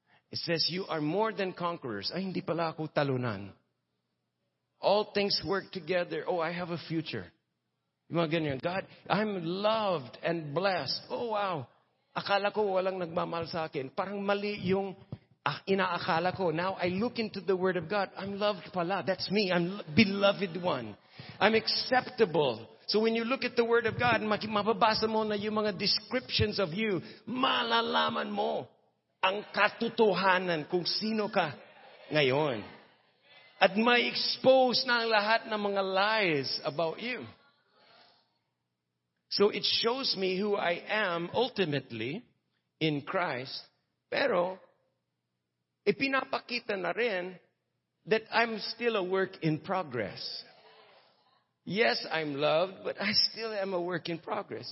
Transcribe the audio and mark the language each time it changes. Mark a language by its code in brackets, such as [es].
[en] It says, you are more than conquerors. [tl] Ay, hindi pala ako talunan. [en] All things work together. Oh, I have a future. [tl] Yung mga ganyan. [en] God, I'm loved and blessed. Oh, wow. [tl] Akala ko walang nagmamahal sa akin. Parang mali yung inaakala ko. [en] Now, I look into the Word of God. I'm loved pala. That's me. I'm beloved one. I'm acceptable. So when you look at the Word of God, [tl] mababasa mo na yung mga descriptions of you, malalaman mo ang katotohanan kung sino ka ngayon. At may expose na ang lahat ng mga [en] lies about you. So it shows me who I am ultimately in Christ. [tl] Pero, ipinapakita na rin [en] that I'm still a work in progress. Yes, I'm loved, but I still am a work in progress.